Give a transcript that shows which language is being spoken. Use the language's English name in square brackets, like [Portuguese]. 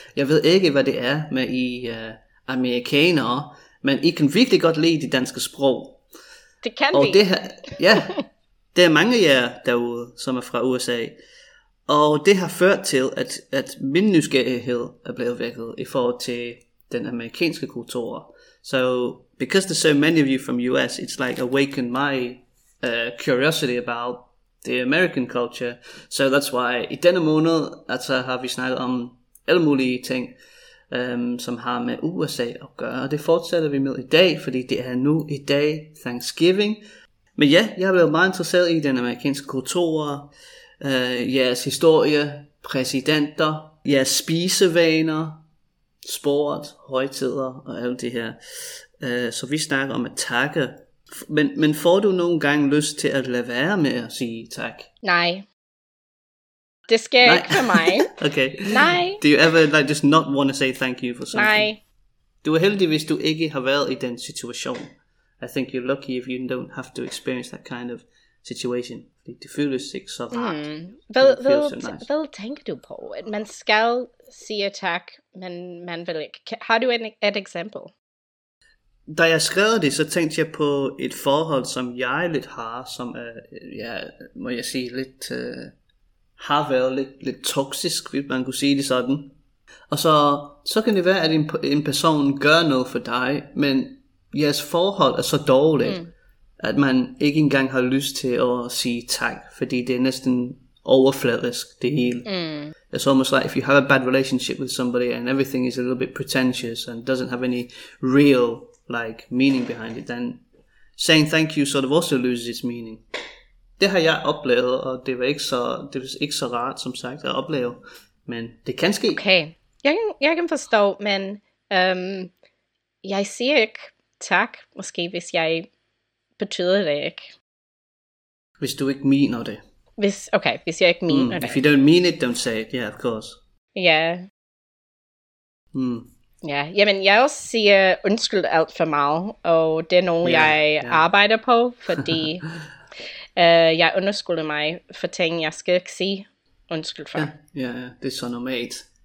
[Danish] Jeg ved ikke, hvad det er med I amerikanere, men I kan virkelig godt lide det danske sprog. Det kan og vi. Det her, ja, der er mange af jer derude, som er fra USA. Og det har ført til, at min nysgerrighed er blevet vækket i forhold til den amerikanske kultur. [English] So, because there's so many of you from US, it's like awakened my curiosity about the American culture. So that's why [Danish] i denne måned, altså har vi snakket om alle mulige ting, som har med USA at gøre. Og det fortsætter vi med i dag, fordi det er nu i dag Thanksgiving. Men ja, jeg har været meget interesseret i den amerikanske kultur, jeres historie, præsidenter, jeres spisevaner, sport, højtider og alt det her. Så vi snakker om at takke. Men får du nogle gange lyst til at lade være med at sige tak? Nej. Det sker Nej. Ikke for mig. Okay. Nej. [English] Do you ever like just not want to say thank you for something? [Danish] Nej. Du er heldig, hvis du ikke har været i den situation. [English] I think you're lucky if you don't have to experience that kind of situation. [Danish] Det føles ikke så rart. Hvad tænker du på? Man skal sige tak, men man vil ikke. Har du et eksempel? Da jeg skrev det, så tænkte jeg på et forhold, som jeg lidt har, som er, ja, må jeg sige, lidt... har været lidt toksisk, hvis man kunne sige det sådan. Og så kan det være, at en person gør noget for dig, men jeres forhold er så dårligt, at man ikke engang har lyst til at sige tak, fordi det er næsten overfladisk, det hele. Mm. [English] It's almost like if you have a bad relationship with somebody and everything is a little bit pretentious and doesn't have any real like meaning behind it, then saying thank you sort of also loses its meaning. [Danish] Det har jeg oplevet, og det var ikke så rart, som sagt, at opleve, men det kan ske. Okay, jeg kan forstå, men jeg siger ikke tak, måske hvis jeg betyder det ikke. Hvis du ikke mener det. Hvis jeg ikke mener det. [English] If you don't mean it, don't say it, yeah, of course. [Danish] Ja. [English] Yeah. Mm. [Danish] Ja, jamen jeg også siger undskyld alt for meget, og det er nogen, arbejder på, fordi... jeg underskulde mig for ting, jeg skal ikke sige undskyld for. Ja, det er så normalt.